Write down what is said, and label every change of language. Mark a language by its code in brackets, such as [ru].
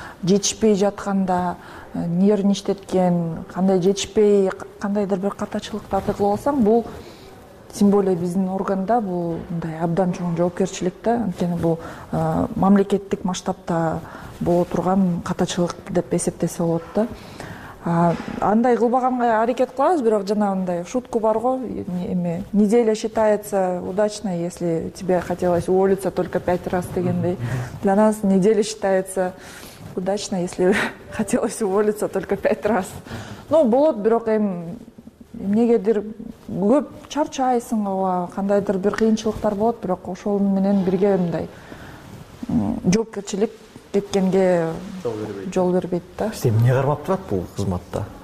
[ky] Жетишпей жатканда нервин иштеткен, кандай жетишпей кандайдыр бир катачылыкта тыгылып алсаң, бул [ru] тем более [ky] биздин органда бул мындай абдан чоң жоопкерчилик да, анткени бул мамлекеттик масштабта боло турган катачылык деп эсептесе болот да. Андай кылбаганга аракет кылабыз, бирок жана мындай шутка бар го, эме [ru] неделя считается удачной, если тебе хотелось уволиться только 5 раз [ky] дегендей. [ru] Для нас неделя считается удачной, если хотелось уволиться только 5 раз. [ky] Ну болот, бирок эми эмнегедир көп чарчайсың, ооба, кандайдыр бир кыйынчылыктар болот, бирок ошол менен бирге мындай жоопкерчилик кеткенге жол бербейт да. Эмне кармап турат бул кызматта?